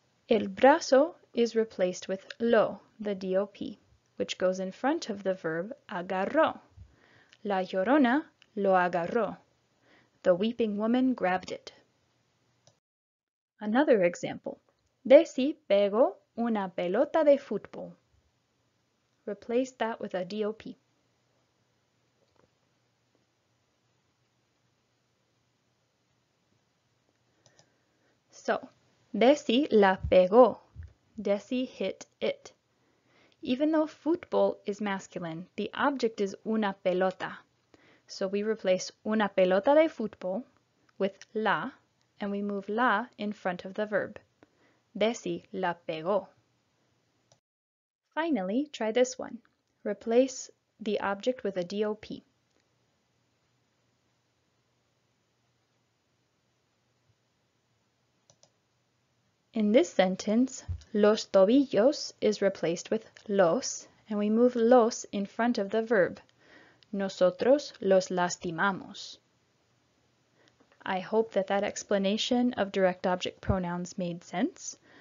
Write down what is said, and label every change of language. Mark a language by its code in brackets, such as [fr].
[en] El brazo is replaced with lo, the DOP, which goes in front of the verb agarró. [es] La llorona lo agarró. [en] The weeping woman grabbed it. Another example. [es] Desi pegó una pelota de fútbol. [en] Replace that with a DOP. So, [es] Desi la pegó. [en] Desi hit it. Even though fútbol is masculine, the object is una pelota. So we replace [es] una pelota de fútbol [en] with la, and we move la in front of the verb. [es] Desi la pegó. [en] Finally, try this one. Replace the object with a DOP. In this sentence, los tobillos is replaced with los, and we move los in front of the verb. [es] Nosotros los lastimamos. [en] I hope that that explanation of direct object pronouns made sense.